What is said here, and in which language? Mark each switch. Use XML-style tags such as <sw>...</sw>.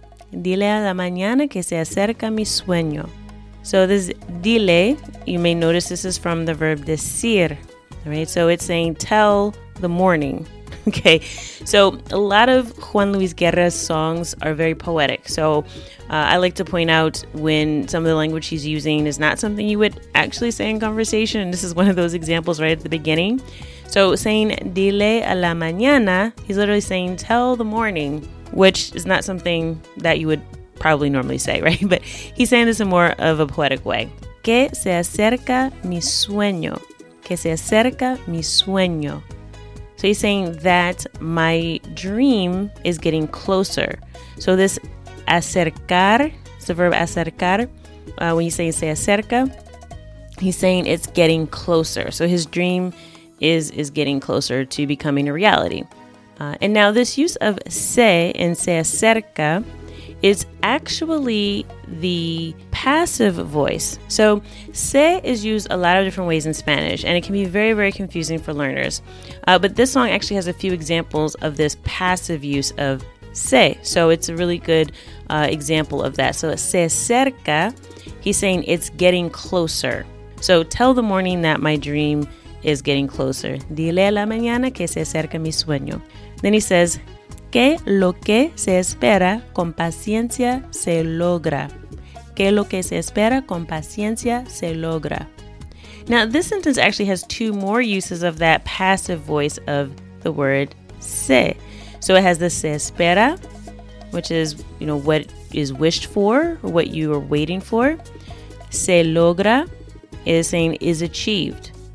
<es>Dile a la mañana que se acerca mi sueño.</es> <en>So this dile, you may notice this is from the verb decir, right? So it's saying tell the morning. Okay, so a lot of Juan Luis Guerra's songs are very poetic. So I like to point out when some of the language he's using is not something you would actually say in conversation. This is one of those examples right at the beginning. So saying</en> <es>dile a la mañana,</es> <en>he's literally saying tell the morning, which is not something that you would probably normally say, right? But he's saying this in more of a poetic way.</en> <es>Que se acerca mi sueño. Que se acerca mi sueño.</es> <en>So he's saying that my dream is getting closer. So this acercar, it's the verb acercar. When you say</en> <es>se acerca,</es> <en>he's saying it's getting closer. So his dream is getting closer to becoming a reality. And now this use of se and</en> <es>se acerca</es> <en>is actually the passive voice. So se is used a lot of different ways in Spanish, and it can be very, very confusing for learners. But this song actually has a few examples of this passive use of se. So it's a really good example of that. So</en> <es>se acerca,</es> <en>he's saying it's getting closer. So tell the morning that my dream is getting closer.</en> <es>Dile a la mañana que se acerca mi sueño.</es> <en>Then he says,</en> <es>que lo que se espera con paciencia se logra. Que lo que se espera con paciencia se logra.</es> <en>Now, this sentence actually has two more uses of that passive voice of the word se. So it has the</en> <es>se espera,</es> <en>which is, you know, what is wished for or what you are waiting for.</en> <es>Se logra</es> <en>is saying is achieved.</en>